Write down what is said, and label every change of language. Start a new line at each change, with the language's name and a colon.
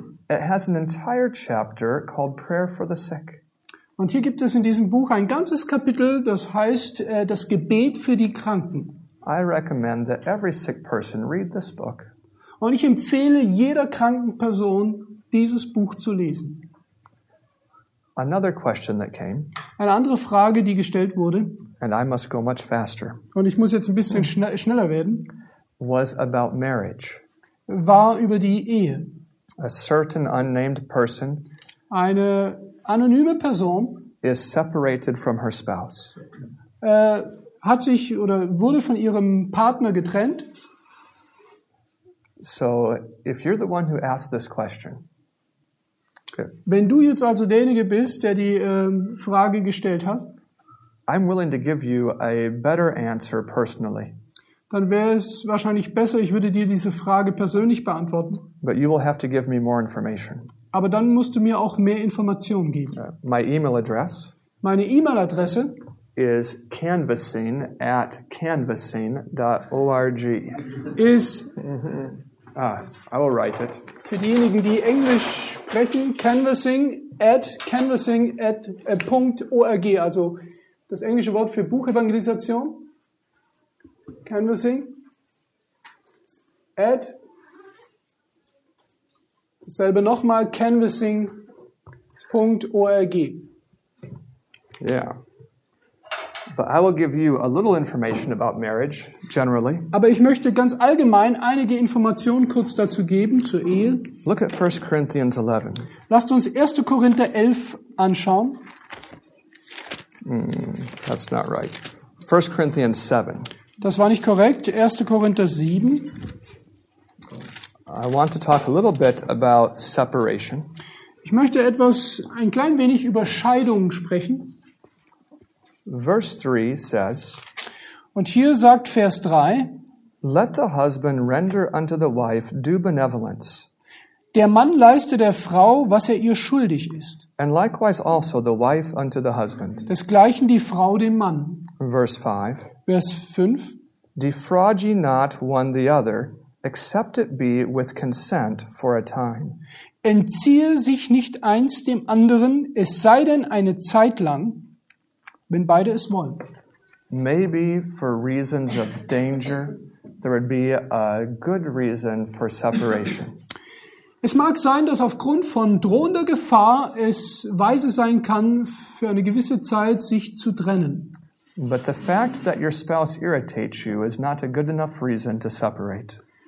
English: It has an entire chapter called Prayer for the Sick.
German: Und hier gibt es in diesem Buch ein ganzes Kapitel, das heißt das Gebet für die Kranken.
English: I recommend that every sick person read this book.
German: Und ich empfehle jeder kranken Person, dieses Buch zu lesen.
English: Another question that came.
German: Eine andere Frage, die gestellt wurde.
English: And I must go much faster.
German: Und ich muss jetzt ein bisschen schneller werden.
English: Was about marriage.
German: War über die Ehe.
English: A certain unnamed person.
German: Eine anonyme Person.
English: Is separated from her spouse.
German: Hat sich oder wurde von ihrem Partner getrennt.
English: So, if you're the one who asked this question.
German: Wenn du jetzt also derjenige bist, der die Frage gestellt hast,
English: I'm willing to give you a better answer personally.
German: Dann wäre es wahrscheinlich besser, ich würde dir diese Frage persönlich beantworten.
English: But you will have to give me more information.
German: Aber dann musst du mir auch mehr Informationen geben.
English: My email address.
German: Meine E-Mail-Adresse
English: is canvassing@canvassing.org.
German: Ist
English: I will write it.
German: Für diejenigen, die Englisch sprechen, canvassing@canvassing.org. Also das englische Wort für Buchevangelisation. Canvassing@ dasselbe nochmal, canvassing.org.
English: Yeah. But I will give you a little information about marriage generally.
German: Aber ich möchte ganz allgemein einige Informationen kurz dazu geben zur Ehe.
English: Look at 1 Corinthians 11.
German: Lasst uns 1. Korinther 11 anschauen.
English: That's not right. 1 Corinthians 7.
German: Das war nicht korrekt. 1. Korinther 7.
English: I want to talk a little bit about separation.
German: Ich möchte etwas ein klein wenig über Scheidung sprechen.
English: Verse 3 says,
German: und hier sagt Vers 3,
English: let the husband render unto the wife due benevolence.
German: Der Mann leiste der Frau, was er ihr schuldig ist.
English: And likewise also the wife unto the husband.
German: Desgleichen die Frau dem Mann.
English: Verse 5,
German: Vers 5,
English: defraud ye not one the other, except it be with consent for a time.
German: Entziehe sich nicht eins dem anderen, es sei denn eine Zeit lang, wenn beide es wollen.
English: Maybe for reasons of danger, there would be a good reason for separation.
German: Es mag sein, dass aufgrund von drohender Gefahr es weise sein kann, für eine gewisse Zeit sich zu trennen.
English: But the fact that your spouse irritates you is not a good enough reason to separate.